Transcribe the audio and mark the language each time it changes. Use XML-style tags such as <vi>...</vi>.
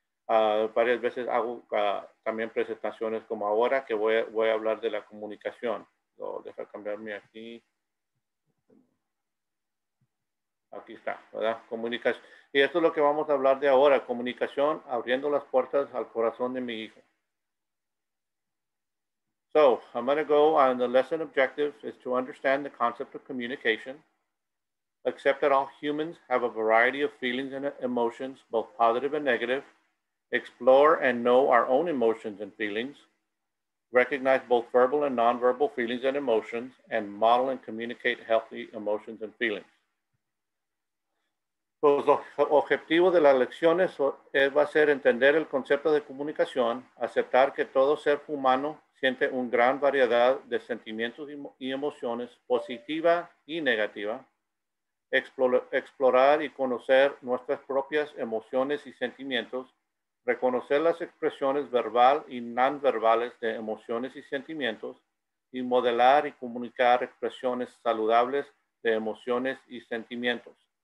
<es>Varias veces hago también presentaciones como ahora, que voy a hablar de la comunicación. Lo dejo cambiarme aquí. Aquí está, ¿verdad? Comunicación. Y esto es lo que vamos a hablar de ahora. Comunicación, abriendo las puertas al corazón de mi hijo.</es> <en>So I'm going to go on the lesson objective is to understand the concept of communication, accept that all humans have a variety of feelings and emotions, both positive and negative, explore and know our own emotions and feelings, recognize both verbal and nonverbal feelings and emotions, and model and communicate healthy emotions and feelings.</en> <es>Los objetivos de las lecciones va a ser entender el concepto de comunicación, aceptar que todo ser humano siente una gran variedad de sentimientos y emociones, positiva y negativa, explorar y conocer nuestras propias emociones y sentimientos, reconocer las expresiones verbal y nonverbales de emociones y sentimientos, y modelar y comunicar expresiones saludables de emociones y sentimientos.</es>